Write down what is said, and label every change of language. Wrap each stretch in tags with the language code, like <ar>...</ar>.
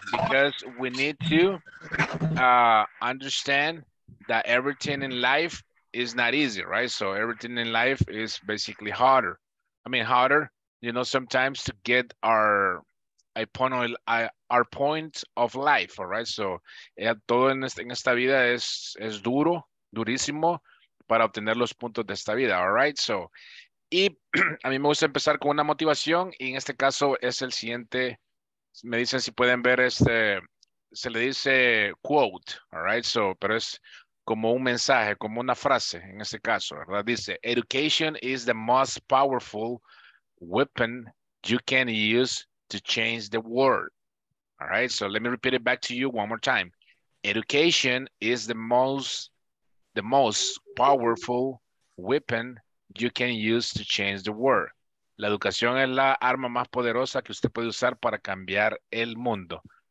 <en>Because we need to understand that everything in life is not easy, right? So everything in life is basically harder. I mean, harder, you know, sometimes to get our point of life, all right?</en> <es>So todo en esta vida es duro, durísimo, para obtener los puntos de esta vida, all right? So, y a mí me gusta empezar con una motivación, y en este caso es el siguiente. Me dicen si pueden ver este, se le dice quote, all right? So, pero es como un mensaje, como una frase en este caso, ¿verdad?</es> <en>Dice, education is the most powerful weapon you can use to change the world, all right? So let me repeat it back to you one more time. Education is the most powerful weapon you can use to change the world.</en> <es>La educación es la arma más poderosa que usted puede usar para cambiar el mundo.</es>